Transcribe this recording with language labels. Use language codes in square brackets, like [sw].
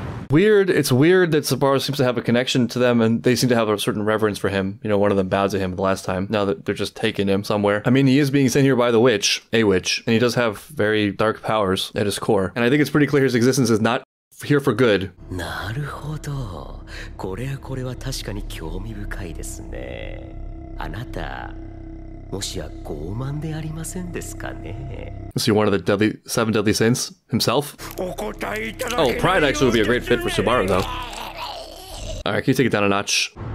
[en] Weird, it's weird that Subaru seems to have a connection to them and they seem to have a certain reverence for him. You know, one of them bowed to him the last time, now that they're just taking him somewhere. I mean, he is being sent here by the witch, a witch, and he does have very dark powers at his core. And I think it's pretty clear his existence is not here for good. [ja] なるほど. これはこれは確かに興味深いですね。あなた [en] So you're one of the deadly, seven deadly sins himself? Oh, pride actually would be a great fit for Subaru, though. Alright, can you take it down a notch?